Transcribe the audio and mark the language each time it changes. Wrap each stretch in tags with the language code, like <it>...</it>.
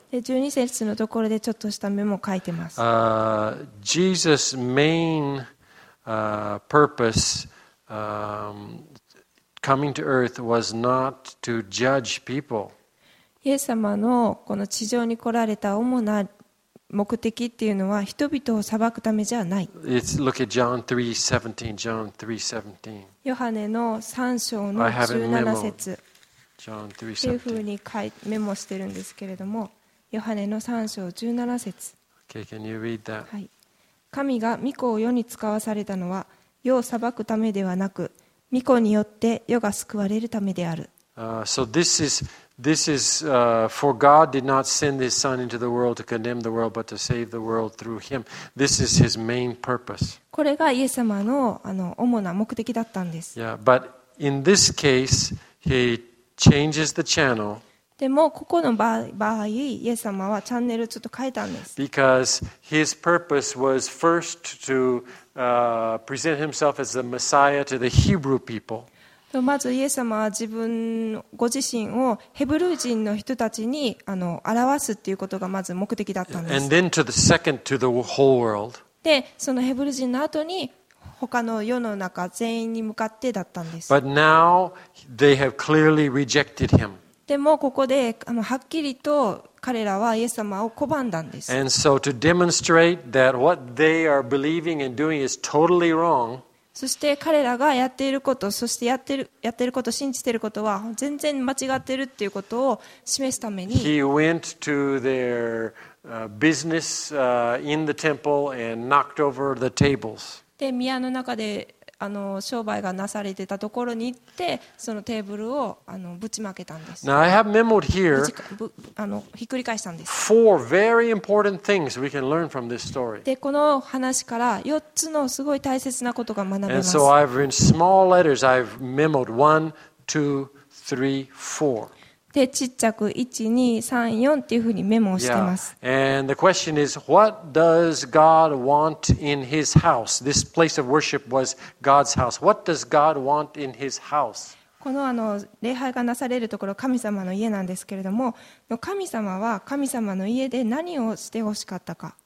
<ja>で、12節のところでちょっとしたメモを書いてます。</ja> <en>Jesus' main purpose coming to earth was not to judge people.</en> <ja>イエス様のこの地上に来られた主な目的っていうのは人々を裁くためじゃない。</ja> <en>Look at John 3:17. John 3:17.</en> <ja>ヨハネの3章の17節。</ja> <en>John 3:17.</en> <ja>というふうに書いメモしてるんですけれども、ヨハネの3章17節。</ja> <en>Okay, can you read that?</en> <ja>はい。神が御子を世に遣わされたのは世を裁くためではなく、御子によって世が救われるためである。</ja> <en>So this is for God did not send His Son into the world to condemn the world, but to save the world through Him. This is His main purpose.</en> <ja>これがイエス様の主な目的だったんです。</ja> <en>Yeah, but in this case, He changes the channel.</en> <ja>でもここの場合、イエス様はチャンネルちょっと変えたんです。</ja> <en>Because His purpose was first to present Himself as the Messiah to the Hebrew people.</en> <ja>まずイエス様は自分ご自身をヘブル人の人たちに表すということがまず目的だったんです。で、そのヘブル人の後に他の世の中全員に向かってだったんです。</ja> <en>But now they have clearly rejected him.</en> <ja>でもここではっきりと彼らはイエス様を拒んだんです。</ja> <en>And so to demonstrate that what they are believing and doing is totally wrong.</en> <ja>そして彼らがやっていること、そしてやっていること、信じていることは全然間違っているということを示すために。</ja> <en>He went to their business in the temple and knocked over the tables.</en> <ja>で、宮の中で商売がなされてたところに行って、そのテーブルをぶちまけたんです。</ja> <en>Now I have memoed here.</en> <ja>ひっくり返したんです。</ja> <en>Four very important things we can learn from this story.</en> <ja>で、この話から4つのすごい大切なことが学べます。</ja> <en>And so I've in small letters I've memoed 1, 2, 3, 4.</en> <ja>で、ちっちゃく1、2、3、4っていうふうにメモをしてます。</ja> <en>Yeah. And the question is, what does God want in his house? This place of worship was God's house. What does God want in his house?</en> <ja>この礼拝がなされるところ、神様の家なんですけれども、神様は神様の家で何をしてほしかったか。</ja>